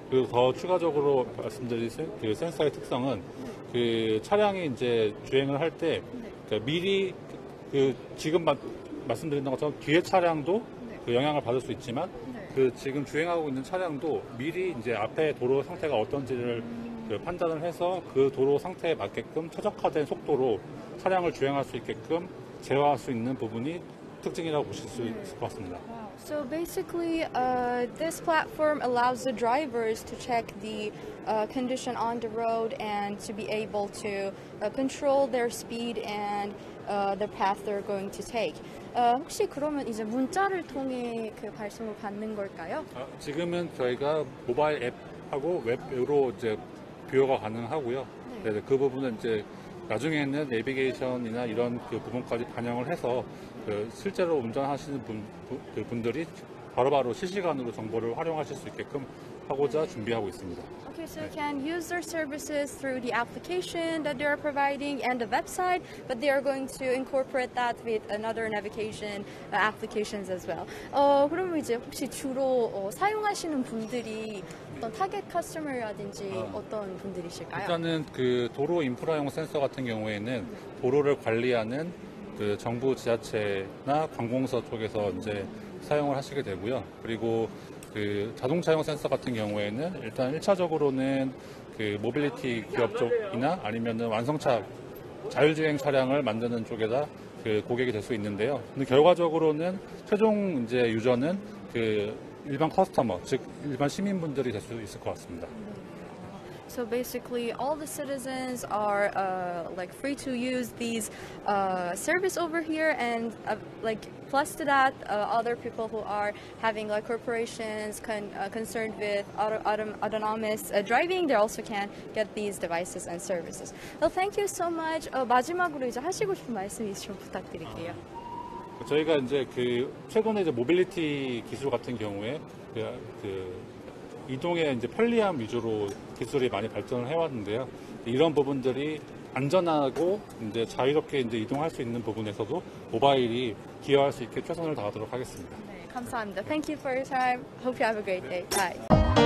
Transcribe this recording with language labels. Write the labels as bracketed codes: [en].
[ko] 그리고 더 추가적으로 말씀드릴 그 센서의 특성은 그 차량이 이제 주행을 할 때 그 미리 그 지금 말씀드린 것처럼 뒤에 차량도 그 영향을 받을 수 있지만 그 지금 주행하고 있는 차량도 미리 이제 앞에 도로 상태가 어떤지를 그 판단을 해서 그 도로 상태에 맞게끔 최적화된 속도로 차량을 주행할 수 있게끔 제어할 수 있는 부분이 특징이라고 보실 수 있을 것 같습니다. [en] So basically, this platform allows the drivers to check the condition on the road and to be able to control their speed and the path they're going to take. [ko] 혹시 그러면 이제 문자를 통해 그 발송을 받는 걸까요? 지금은 저희가 모바일 앱하고 웹으로 이제 비교가 가능하고요. 네. 네, 그 부분은 이제 나중에는 내비게이션이나 이런 그 부분까지 반영을 해서 그 실제로 운전하시는 분들이 바로바로 실시간으로 정보를 활용하실 수 있게끔 하고자 네. 준비하고 있습니다. [en] Okay, so you can use their services through the application that they are providing and the website, but they are going to incorporate that with another navigation applications as well. [ko] 그럼 이제 혹시 주로 사용하시는 분들이 어떤 타겟 커스터머라든지 어떤 분들이실까요? 일단은 그 도로 인프라용 센서 같은 경우에는 도로를 관리하는 그 정부 지자체나 관공서 쪽에서 이제 사용을 하시게 되고요. 그리고 그 자동차용 센서 같은 경우에는 일단 1차적으로는 그 모빌리티 기업 쪽이나 아니면은 완성차 자율주행 차량을 만드는 쪽에다 그 고객이 될 수 있는데요. 근데 결과적으로는 최종 이제 유저는 그 일반 커스터머, 즉 일반 시민분들이 될 수 있을 것 같습니다. [en] So basically, all the citizens are like free to use these service over here, and like plus to that, other people who are having like corporations concerned with autonomous driving, they also can get these devices and services. Well, thank you so much. [ko] 마지막으로 이제 하시고 싶은 말씀 있으시면 부탁드릴게요. 저희가 이제 그 최근에 이제 모빌리티 기술 같은 경우에 그 이동의 이제 편리함 위주로 기술이 많이 발전을 해왔는데요. 이런 부분들이 안전하고 이제 자유롭게 이제 이동할 수 있는 부분에서도 모바일이 기여할 수 있게 최선을 다하도록 하겠습니다. 네, 감사합니다. [en] Thank you for your time. Hope you have a great day. Bye.